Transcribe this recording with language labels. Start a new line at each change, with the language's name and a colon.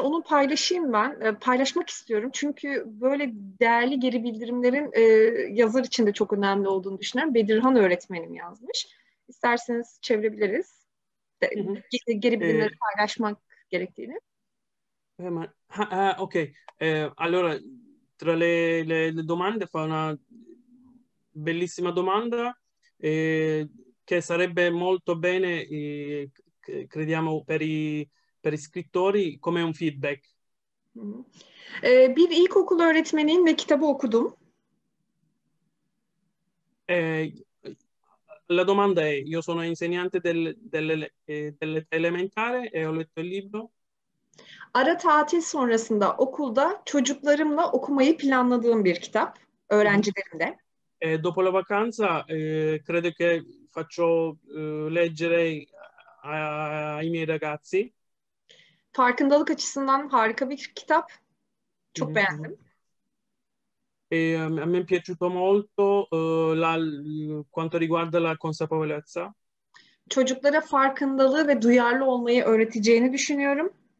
Turkish: Onu paylaşayım ben. Paylaşmak istiyorum. Çünkü böyle değerli geri bildirimlerin yazar için de çok önemli olduğunu düşünüyorum. Bedirhan öğretmenim yazmış. İsterseniz çevirebiliriz. Geri bildirimleri paylaşmak gerektiğini. Hemen. Okay.
Italian: Allora, tra le domande fa una bellissima domanda che sarebbe molto bene, crediamo, per i scrittori come un feedback.
Turkish: Bir ilkokul öğretmeninin ve kitabı okudum.
Italian: La domanda è, io sono insegnante dell'elementare e ho letto il libro.
Turkish: Ara tatil sonrasında okulda çocuklarımla okumayı planladığım bir kitap, öğrencilerimle.
Italian: Dopo la vacanza credo che faccio leggere ai miei ragazzi.
Turkish: Farkındalık açısından harika bir kitap. Çok beğendim.
Italian: A me è piaciuto molto quanto riguarda la consapevolezza.
Turkish: Çocuklara farkındalığı ve duyarlı olmayı öğreteceğini düşünüyorum.